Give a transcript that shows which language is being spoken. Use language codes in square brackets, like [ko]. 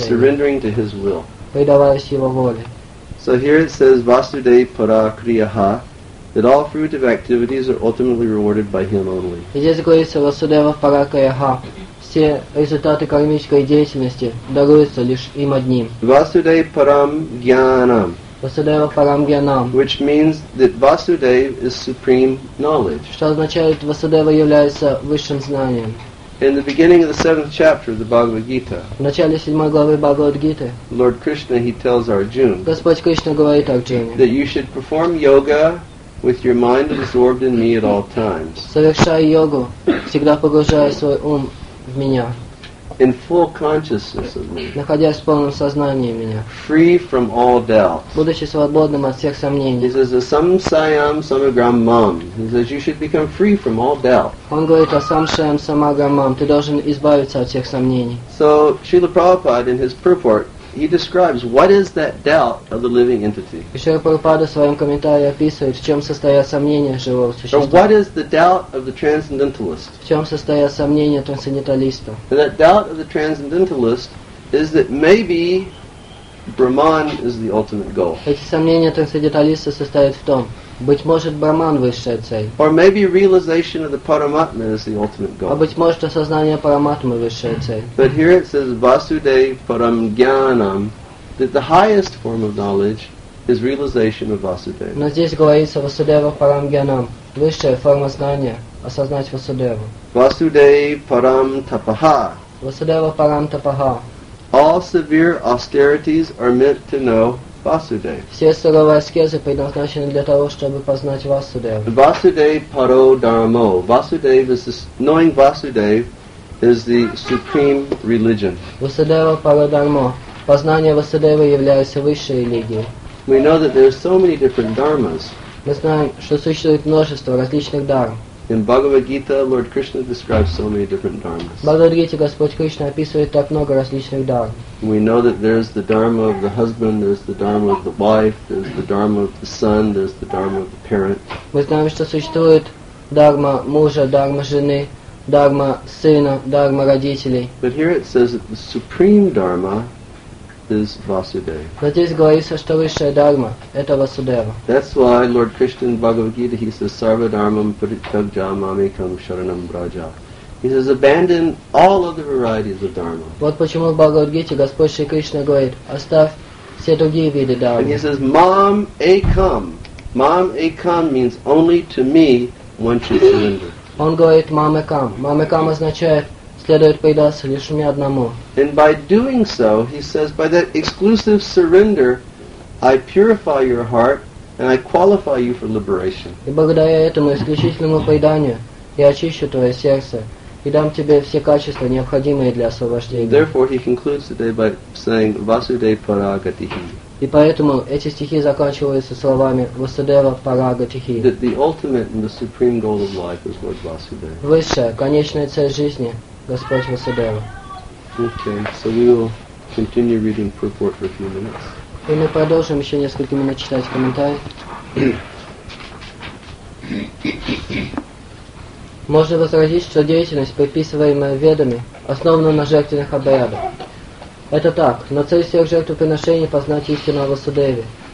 [en] By surrendering to His will. [ru] Предаваясь Его воле. [en] So here it says, [sa] Vasudeva para kriyaha, [en] that all fruitive activities are ultimately rewarded by Him only. [ru] И здесь говорится, [sa] Vasudeva para kriyaha. [ru] Все результаты кармической деятельности даруются лишь им одним. [sa] Vasudeva Param Gyanam. Vasudeva Param Gyanam. [en] Which means that Vasudeva is supreme knowledge. [ru] Что означает, Vasudeva является высшим знанием. [en] In the beginning of the seventh chapter of the Bhagavad Gita. [ru] В начале седьмой главы Бхагавад Гиты. [en] Lord Krishna, he tells Arjuna. [ru] Господь Кришна говорит Арджуне. [en] That you should perform yoga with your mind absorbed in me at all times. [ru] Совершая йогу, всегда погружая свой ум в меня, [en] in full consciousness of me, [ru] находясь в полном сознании меня, [en] free from all doubt, [ru] будучи свободным от всех сомнений. [en] He says, [sa] "Samsayam samagrammam." [en] He says, "You should become free from all doubt." [ru] Он говорит о [sa] самсаям самаграмам. [ru] Ты должен избавиться от всех сомнений. [en] So Srila Prabhupada, in his purport, he describes what is that doubt of the living entity. [ru] Шрила Прабхупада в своем комментарии описывает, в чем состоят сомнения живого существа. [en] So what is the doubt of the transcendentalist? [ru] В чем состоят сомнения трансценденталиста? [en] And that doubt of the transcendentalist is that maybe Brahman is the ultimate goal. [ru] Эти сомнения трансценденталиста состоят в том, быть может, Брахман высшая цель. [en] Or maybe realization of the Paramatma is the ultimate goal. [ru] А быть может, осознание Параматмы высшая цель. [en] But here it says [sa] Vasudev Param Gyanam, [en] that the highest form of knowledge is realization of Vasudeva. [ru] Но здесь говорится [sa] Vasudeva Param Gyanam, [ru] высшая форма знания, осознать Vasudeva. [sa] Vasudev Param Tapaha. Vasudeva Param Tapaha. [en] All severe austerities are meant to know Vasudev. [ru] Все суровые аскезы предназначены для того, чтобы познать Васудеву. [sa] Vasudev Paro Dharmo. [en] Vasudev is this, knowing Vasudev is the supreme religion. [sa] Vasudeva Paro Dharmo. [ru] Познание Васудевы является высшей религией. [en] We know that there are so many different dharmas. [ru] Мы знаем, что существует множество различных дарм. [en] In Bhagavad Gita, Lord Krishna describes so many different dharmas. [ru] В Бхагавад Гите Господь Кришна описывает так много различных дарм. [en] We know that there's the dharma of the husband, there's the dharma of the wife, there's the dharma of the son, there's the dharma of the parent. [ru] Мы знаем, что существует дарма мужа, дарма жены, дарма сына, дарма родителей. [en] But here it says that the supreme dharma is Vasudeva. [ru] Но здесь говорится, что высшая дарма – это Васудева. [en] That's why Lord Krishna in Bhagavad Gita, he says, [sa] Sarva dharmam parityajamamekam sharanam braja. [en] He says, abandon all other varieties of dharma. [ru] Вот почему в Бхагавад Гите Господь Шри Кришна говорит, оставь все другие виды дармы. [en] And he says, [sa] mam ekam. Mam ekam [en] means only to me one should surrender. [ru] Он говорит, [sa] mam ekam. Mam ekam [ru] означает, следует предаться лишь мне одному. [en] And by doing so, he says, by that exclusive surrender, I purify your heart and I qualify you for liberation. [ru] И благодаря этому исключительному преданию я очищу твое сердце и дам тебе все качества, необходимые для освобождения. [en] Therefore, he concludes today by saying, Vasudev Paragatihi. [ru] И поэтому эти стихи заканчиваются словами Васудева Парагатихи. [en] That the ultimate and the supreme goal of life is Lord Vasudev. [ru] Высшая, конечная цель жизни – Господь Васудева. [en] Okay, so we will continue reading purport for a few minutes. [ru] И мы продолжим еще несколько минут читать комментарий. Можно возразить, что деятельность, предписываемая ведами, основана на жертвенных обрядах. Это так, но цель всех жертвоприношений – познать истину о Васудеве.